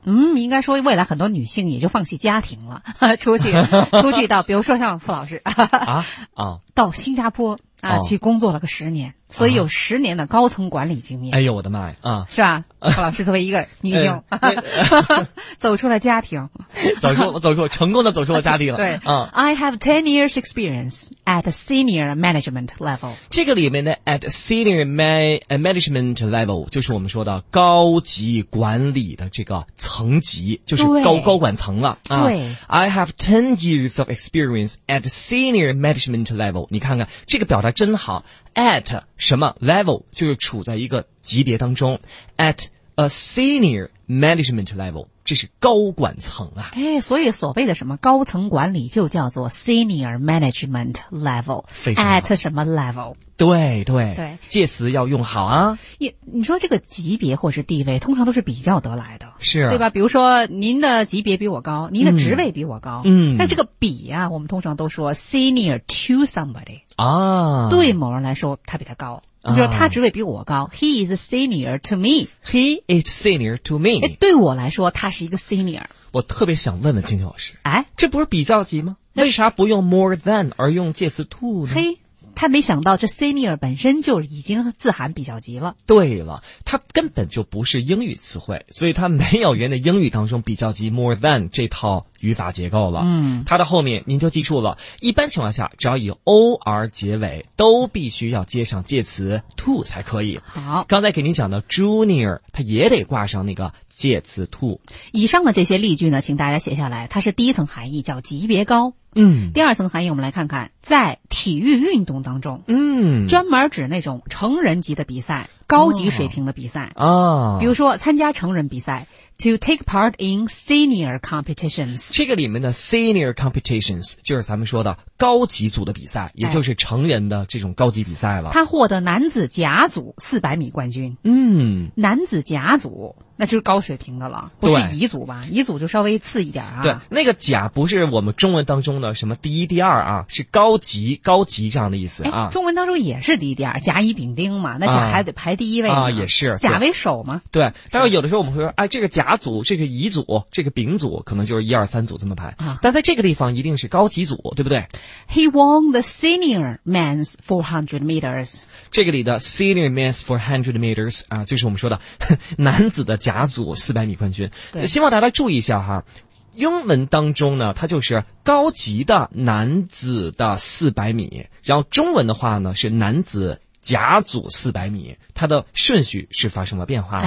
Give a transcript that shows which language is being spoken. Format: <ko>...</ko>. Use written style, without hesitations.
<zh>嗯，应该说未来很多女性也就放弃家庭了，出去到比如说像傅老师啊到新加坡啊，去工作了个十年，所以有十年的高层管理经验。哎呦我的妈呀，是吧？何老师作为一个女性，走出了家庭，成功的走出了家庭了。</zh> <en>对，I have 10 years experience at senior management level。</en> <zh>这个里面的</zh> <en>at senior management level</en> <zh>就是我们说的高级管理的这个层级，就是高管层了。对</zh> <en>，I have 10 years of experience at senior management level。</en> <zh>你看看这个表达真好 ，at 什么 level 就是处在一个级别当中 ，</zh> <en>at a senior management level，</en> <zh>这是高管层啊。哎，所以所谓的什么高层管理就叫做</zh> <en>senior management level，</en> <zh>at 什么 level？对对对，介词要用好啊。你说这个级别或是地位，通常都是比较得来的，是对吧？比如说您的级别比我高，您的职位比我高，但这个比啊，我们通常都说</zh> <en>senior to somebody 啊，</en> <zh>对某人来说，他比他高。你说他职位比我高、</zh> <en>He is a senior to me. He is senior to me.</en> <zh>对我来说他是一个 senior。我特别想问问金老师，哎，这不是比较级吗？为啥不用</zh> <en>more than</en> <zh>而用介词 to 呢？嘿，他没想到这 senior 本身就已经自含比较级了。对了，他根本就不是英语词汇，所以他没有原的英语当中比较级</zh> <en>more than</en> <zh>这套语法结构了。他的后面您就记住了，一般情况下只要以 or 结尾都必须要接上介词 to 才可以。好，刚才给您讲的 junior 他也得挂上那个介词 to。以上的这些例句呢，请大家写下来，它是第一层含义叫级别高。第二层含义我们来看看，在体育运动当中，专门指那种成人级的比赛，高级水平的比赛。比如说参加成人比赛，</zh> <en>to take part in senior competitions。</en> <zh>这个里面的</zh> <en>senior competitions</en> <zh>就是咱们说的高级组的比赛，也就是成人的这种高级比赛了。他获得男子甲组400米冠军。男子甲组那就是高水平的了，不是乙组吧？乙组就稍微次一点啊。对，那个甲不是我们中文当中的什么第一第二啊，是高级高级这样的意思啊。中文当中也是第一第二，甲乙丙丁嘛，那甲还得排第一位啊，也是甲为首嘛。对，但是有的时候我们会说，哎，这个甲组、这个乙组、这个丙组，可能就是一二三组这么排啊。但在这个地方一定是高级组，对不对</zh> <en>？He won the senior men's 400 meters。</en> <zh>这个里的</zh> <en>senior men's 400 meters</en> <zh>啊，就是我们说的男子的甲组400米冠军。对，希望大家注意一下哈，英文当中呢它就是高级的男子的400米，然后中文的话呢是男子甲组400米，它的顺序是发生了变化的。</zh>